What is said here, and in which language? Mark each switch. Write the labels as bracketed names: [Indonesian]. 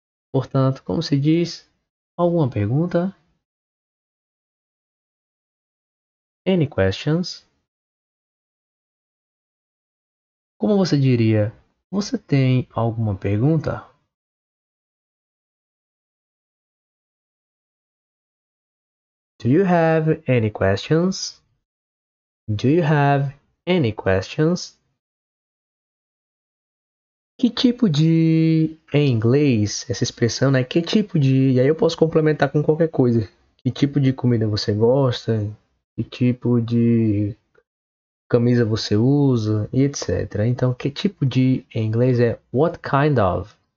[Portuguese] Portanto, como se diz, alguma pergunta? [English] Any questions? [Portuguese] Como você diria, você tem alguma pergunta? [English] Do you have any questions? Do you have any questions? [Portuguese] Que tipo de, em inglês, essa expressão, né? Que tipo de, e aí eu posso complementar com qualquer coisa. Que tipo de comida você gosta? Que tipo de camisa você usa? E etc. Então, que tipo de, em inglês, é [English] what kind of?